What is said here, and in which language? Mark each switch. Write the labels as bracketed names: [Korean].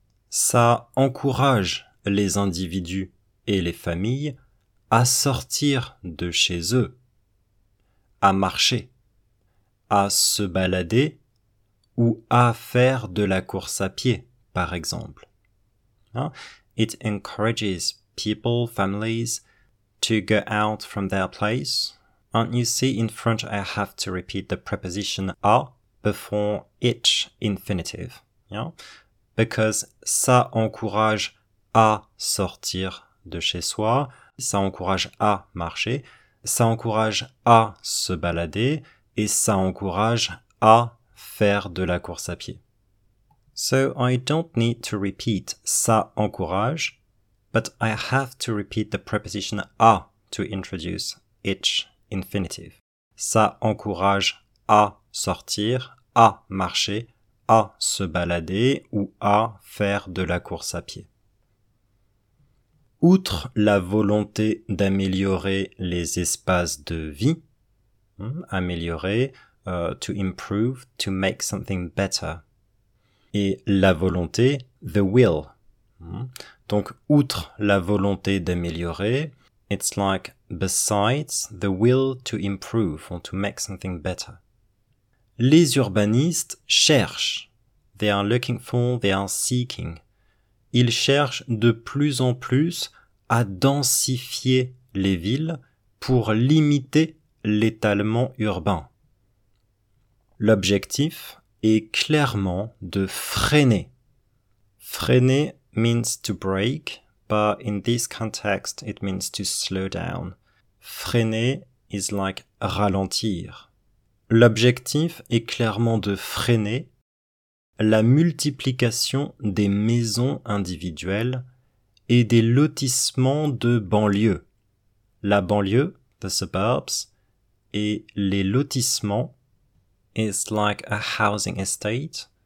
[French] Ça encourage les individus et les familles à sortir de chez eux, à marcher, à se balader ou à faire de la course à pied, par exemple. [English] It encourages people, families, to go out from their place. And you see in French I have to repeat the preposition à before each infinitive. Yeah? Because [French] ça encourage à sortir de chez soi, ça encourage à marcher, ça encourage à se balader et ça encourage à faire de la course à pied. [English] So I don't need to repeat ça encourage, but I have to repeat the preposition à to introduce each infinitive. [French] Ça encourage à sortir, à marcher, à se balader ou à faire de la course à pied. Outre la volonté d'améliorer les espaces de vie, améliorer, [English] to improve, to make something better, [French] et la volonté, [English] the will. [French] Donc, outre la volonté d'améliorer, [English] it's like besides the will to improve or to make something better. [French] Les urbanistes cherchent, [English] they are looking for, they are seeking. [French] Ils cherchent de plus en plus à densifier les villes pour limiter l'étalement urbain. L'objectif est clairement de freiner. [English] Freiner means to break, but in this context it means to slow down. Freiner is like ralentir. [French] L'objectif est clairement de freiner la multiplication des maisons individuelles et des lotissements de banlieue. La banlieue, [English] the suburbs, [French] et les lotissements [English] is like a housing estate.